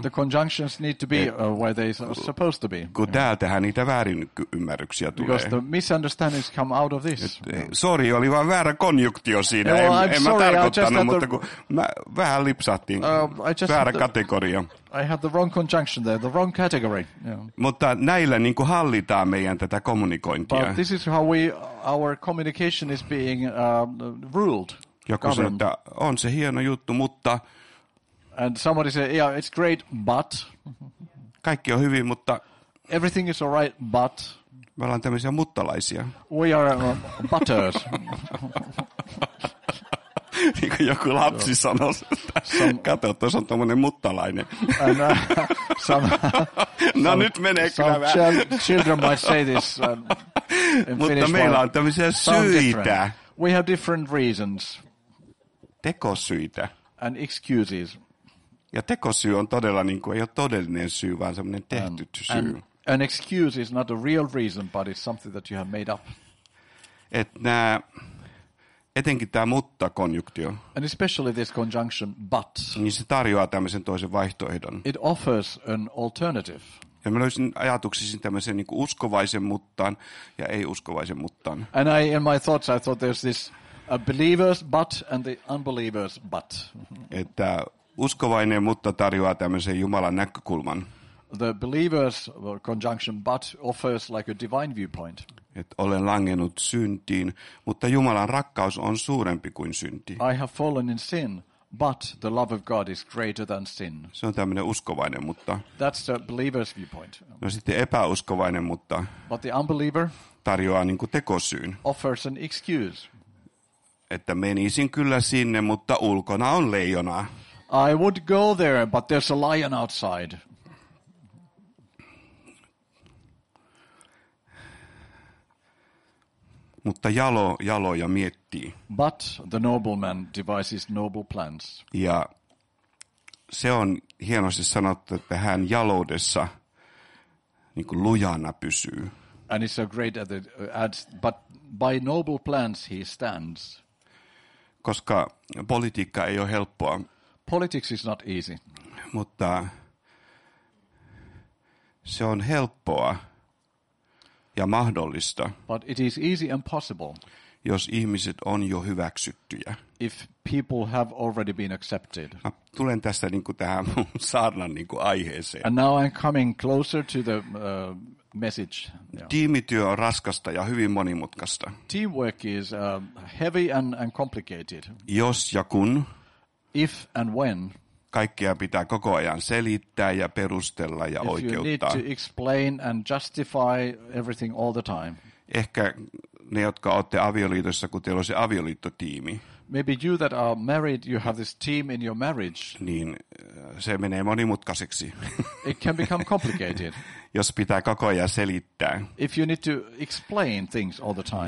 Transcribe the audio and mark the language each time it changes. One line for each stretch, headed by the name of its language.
English: The conjunctions need to be where they are supposed to be.
Finnish: Kun täältähän niitä väärin ymmärryksiä tulee.
English: Because the misunderstandings come out of this.
Finnish: Sori, oli vaan väärä konjunktio siinä.
English: Yeah, well,
Finnish: en mä tarkoittanut, mutta kun mä vähän lipsahtiin. Väärä kategoria.
English: I had the wrong conjunction there, the wrong category. Yeah.
Finnish: Mutta näillä niin kuin hallitaan meidän tätä kommunikointia.
English: But this is how we, our communication is being ruled.
Finnish: Joku sanoo, että on se hieno juttu, mutta...
English: And somebody said, yeah, it's great, but...
Finnish: Kaikki on hyvin, mutta...
English: Everything is all right, but...
Finnish: Me ollaan tämmöisiä muttalaisia.
English: We are butters.
Finnish: Niin kuin joku lapsi sanoi, että kato, tuossa on tuommoinen muttalainen.
English: And,
Finnish: no nyt menee kyllä vähän.
English: Children might say this
Finnish: mutta
English: Finnish
Finnish: meillä on tämmöisiä syitä.
English: Different. We have different reasons.
Finnish: Tekosyitä.
English: And excuses.
Finnish: Ja tekosyy on todella, niin kuin, ei ole todellinen syy, vaan semmoinen tehty syy.
English: An excuse is not a real reason, but it's something that you have made up.
Finnish: Että nämä... Etenkin tämä mutta-konjunktio.
English: And especially this conjunction, but.
Finnish: Niin se tarjoaa tämmöisen toisen vaihtoehdon.
English: It offers an alternative.
Finnish: Ja mä löysin ajatuksesi tämmöisen niin kuin uskovaisen muttaan ja ei-uskovaisen muttaan.
English: And I, in my thoughts, I thought there's this a believer's but and the unbeliever's but.
Finnish: Että uskovainen mutta tarjoaa tämmöisen Jumalan näkökulman.
English: The believer's conjunction, but offers like a divine viewpoint.
Finnish: Et olen langennut syntiin, mutta Jumalan rakkaus on suurempi kuin synti.
English: I have fallen in sin, but the love of God is greater than sin.
Finnish: Se on tämmöinen uskovainen, mutta...
English: That's the believer's viewpoint.
Finnish: No sitten epäuskovainen, mutta...
English: But the unbeliever...
Finnish: Tarjoaa niin kuin tekosyyn.
English: Offers an excuse.
Finnish: Että menisin kyllä sinne, mutta ulkona on leijona.
English: I would go there, but there's a lion outside.
Finnish: Mutta jalo ja miettii.
English: But the nobleman devises noble plans.
Finnish: Ja se on hienosti sanottu, että hän jaloudessa niin kuin lujana pysyy.
English: And it's so great that it adds, but by noble plans he stands.
Finnish: Koska politiikka ei ole helppoa.
English: politics is not easy.
Finnish: Mutta se on helppoa ja mahdollista.
English: But it is easy and possible.
Finnish: Jos ihmiset on jo hyväksyttyjä.
English: If people have already been accepted.
Finnish: Mä tulen tästä niinku tähän saarnan niinku aiheeseen.
English: And now I'm coming closer to the message.
Finnish: Tiimityö on raskasta ja hyvin monimutkaista.
English: Teamwork is heavy and complicated.
Finnish: Jos ja kun.
English: If and when.
Finnish: Kaikkea pitää koko ajan selittää ja perustella ja
English: if
Finnish: oikeuttaa.
English: If you need to explain and justify everything all the time.
Finnish: Ehkä ne, jotka olette avioliitossa, kun teillä on se avioliittotiimi.
English: Maybe you that are married, you have this team in your marriage.
Finnish: Niin se menee monimutkaiseksi.
English: It can become complicated.
Finnish: Jos pitää koko ajan selittää.
English: If you need to explain things all the time.